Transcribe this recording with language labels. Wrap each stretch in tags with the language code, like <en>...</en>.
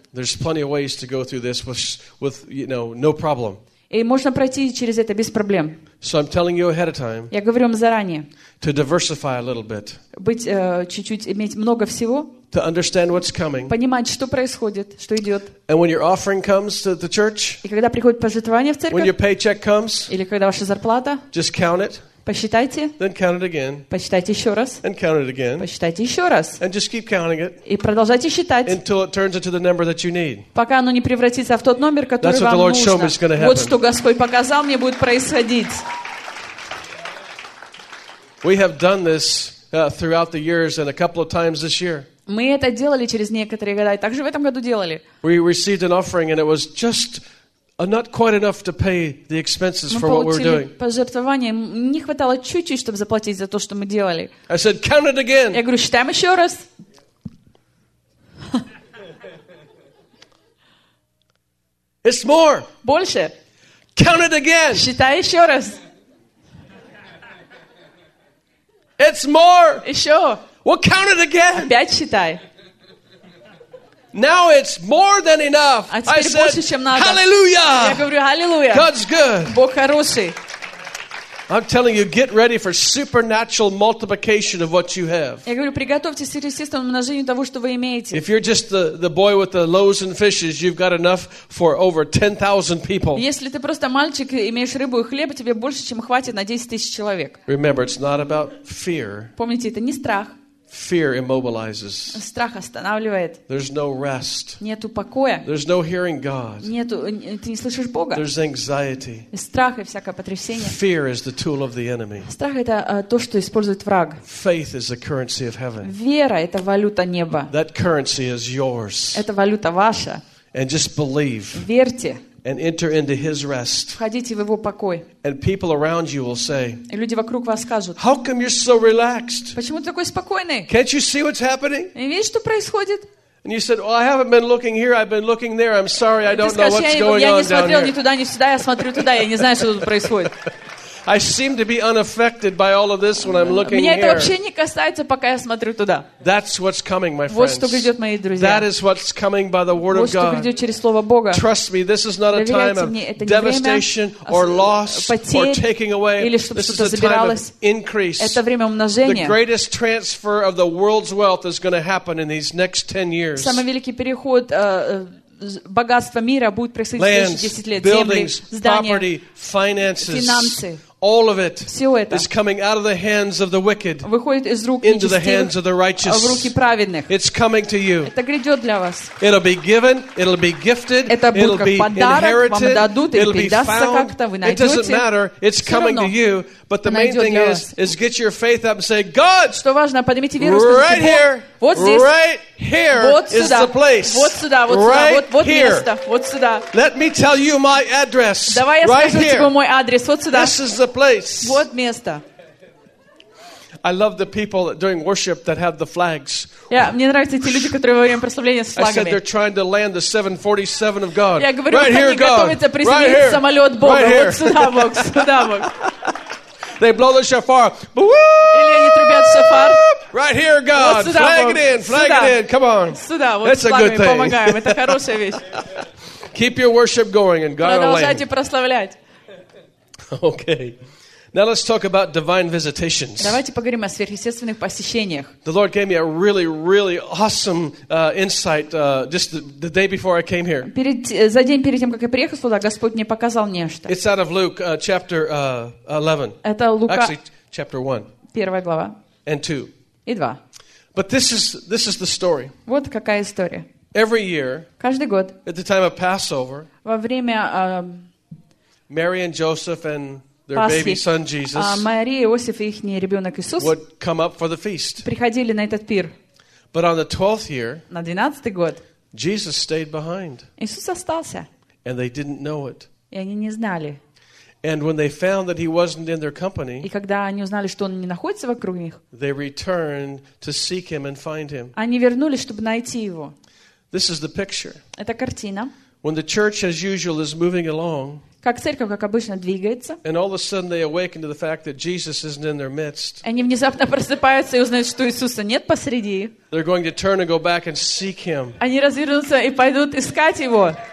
<en>There's plenty of ways to go through this with no problem.</en> <ru>И можно пройти через это без проблем.</ru> <en>So I'm telling you ahead of time.</en> <ru>Я говорю вам заранее.</ru> <en>To diversify a little bit.</en> <ru>Быть чуть-чуть иметь много всего.</ru> <en>To understand what's coming.</en> <ru>Понимать, что происходит, что идет.</ru> <en>And when your offering comes to the church.</en> <ru>И когда приходит пожертвование в церковь.</ru> <en>When your paycheck comes.</en> <ru>Или когда ваша зарплата.</ru> <en>Just count it.</en> <ru>Посчитайте.</ru> <en>Then count it again.</en> <ru>Посчитайте еще раз.</ru> <en>And count it again.</en> <ru>Посчитайте еще раз.</ru> <en>And just keep counting it.</en> <ru>И продолжайте считать.</ru> <en>Until it turns into the number that you need.</en> <ru>Пока оно не превратится в тот номер, который вам нужен.</ru> <en>That's what the Lord showed me is going to happen.</en> <ru>Вот что Господь показал мне будет происходить.</ru> <en>We have done this throughout the years and a couple of times this year.</en> <ru>Мы это делали через некоторые года, и также в этом году делали.</ru> <en>We received an offering, and it was just not quite enough to pay the expenses for what we were doing.</en> <ru>Мы получили пожертвование, не хватало чуть-чуть, чтобы заплатить за то, что мы делали.</ru> <en>I said, count it again.</en> <ru>Я говорю, считаем еще раз.</ru> <en>It's more.</en> <ru>Больше.</ru> <en>Count it again.</en> <ru>Считай еще раз.</ru> <en>It's more.</en> <ru>Еще.</ru> <en>Well, count it again.</en> <ru>Опять считай.</ru> <en>Now it's more than enough.</en> <ru>А теперь больше, чем надо.</ru> <en>Hallelujah.</en> <ru>Я говорю, Hallelujah.</ru> <en>God's good.</en> <ru>Бог хороший.</ru> <en>I'm telling you, get ready for supernatural multiplication of what you have.</en> <ru>Я говорю, приготовьтесь к сверхъестественному умножению того, что вы имеете.</ru> <en>If you're just the boy with the loaves and fishes, you've got enough for over 10,000 people.</en> <ru>Если ты просто мальчик и имеешь рыбу и хлеб, тебе больше, чем хватит на 10,000 человек.</ru> <en>Remember, it's not about fear.</en> <ru>Помните, это не страх.</ru> <en>Fear immobilizes.</en> <ru>Страх останавливает.</ru> <en>There's no rest.</en> <ru>Нету покоя.</ru> <en>There's no hearing God.</en> <ru>Нету, ты не слышишь Бога.</ru> <en>There's anxiety.</en> <ru>Страх и всякое потрясение.</ru> <en>Fear is the tool of the enemy.</en> <ru>Страх это то, что использует враг.</ru> <en>Faith is the currency of heaven.</en> <ru>Вера это валюта неба.</ru> <en>That currency is yours.</en> <ru>Это валюта ваша.</ru> <en>And just believe.</en> <ru>Верьте.</ru> <en>And enter into His rest.</en> <ru>Входите в Его покой.</ru> <en>And people around you will say.</en> <ru>И люди вокруг вас скажут.</ru> <en>How come you're so relaxed?</en> <ru>Почему ты такой спокойный?</ru> <en>Can't you see what's happening?</en> <ru>Не видишь, что происходит?</ru> <en>And you said, "Well, I haven't been looking here. I've been looking there. I'm sorry. I don't know what's going on down here."</en> <ru>Я не смотрел ни туда, ни сюда. Я смотрю туда. Я не знаю, что тут происходит.</ru> <en>I seem to be unaffected by all of this when I'm looking</en> <ru>Меня</ru> <en>here.</en> <ru>Меня это вообще не касается, пока я смотрю туда.</ru> <en>That's what's coming, my friends.</en> <ru>Вот что грядет, мои друзья.</ru> <en>That is what's coming by the word</en> <ru>вот</ru> <en>of God.</en> <ru>Вот что грядет через слово Бога.</ru> <en>Trust me, this is not</en> <ru>Доверяйте</ru> <en>a time of devastation or loss</en> <ru>потерь,</ru> <en>or taking away.</en> <ru>Или что-то</ru> <en>this</en> <ru>что-то</ru> <en>is a</en> <ru>забиралось.</ru> <en>Time of increase.</en> <ru>Это время умножения.</ru> <en>The greatest transfer of the world's wealth is going to happen in these next 10 years.</en> <ru>Самый великий переход богатства мира будет происходить в следующие 10 лет.</ru> <en>Buildings,</en> <ru>земли, здания,</ru> <en>property, finances.</en> <ru>Финансы.</ru> <en>All of it is coming out of the hands of the wicked into the hands of the righteous. It's coming to you. It'll be given. It'll be gifted. It'll be inherited. It'll be found. It doesn't matter. It's coming to you. But the main thing is get your faith up and say, God, right here, right here is the place. Right here. Let me tell you my address. Right here. This is the place.</en> <ru>Вот место.</ru> <en>I love the people during worship that have the flags.</en> <ru>Yeah, мне нравятся эти люди, которые во время прославления с флагами.</ru> <en>I said they're trying to land the 747 of God.</en> <ru>Я говорю, они готовятся присоединить самолет Бога.</ru> <en>Right here.</en> <ru>Вот сюда, Бог, сюда, Бог.</ru> <en>They blow the shofar.</en> <ru>Или они трубят шофар.</ru> <en>Right here, God.</en> <ru>Вот сюда,</ru> <en>flag it in, flag</en> <ru>сюда.</ru> <en>It in. Come on.</en> <ru>Сюда, вот</ru> <en>That's</en> <ru>с флагами</ru> <en>a good thing.</en> <ru>Помогаем. Это хорошая вещь.</ru> <en>Keep your worship going and God will land.</en> <ru>Продолжайте прославлять.</ru> <en>Okay. Now let's talk about divine visitations.</en> <ru>Давайте поговорим о сверхъестественных посещениях.</ru> <en>The Lord gave me a really, really awesome insight just the day before I came here.</en> <ru>За день перед тем, как я приехал сюда, Господь мне показал нечто.</ru> <en>It's out of Luke chapter 11.</en> <ru>Это Лука.</ru> <en>Actually, chapter 1.</en> <ru>Первая глава.</ru> <en>And 2.</en> <ru>И 2.</ru> <en>But this is the story.</en> <ru>Вот какая история.</ru> <en>Every year.</en> <ru>Каждый год.</ru> <en>At the time of Passover.</en> <ru>Во время</ru> <en>Mary and Joseph and their baby son Jesus.</en> <ru>Мария, Иосиф и их ребенок Иисус.</ru> <en>Would come up for the feast.</en> <ru>Приходили на этот пир.</ru> <en>But on the 12th year.</en> <ru>На 12-й год.</ru> <en>Jesus stayed behind.</en> <ru>Иисус остался.</ru> <en>And they didn't know it.</en> <ru>И они не знали.</ru> <en>And when they found that he wasn't in their company.</en> <ru>И когда они узнали, что он не находится вокруг них.</ru> <en>They returned to seek him and find him.</en> <ru>Они вернулись, чтобы найти его.</ru> <en>This is the picture.</en> <ru>Это картина.</ru> <en>When the church as usual is moving along.</en> <ru>Как церковь, как обычно, двигается.</ru> <en>And all of a sudden they awaken to the fact that Jesus isn't in their midst.</en> <ru>Они внезапно просыпаются и узнают, что Иисуса нет посреди.</ru> <en>They're going to turn and go back and seek him.</en> <ru>Они развернутся и пойдут искать его.</ru>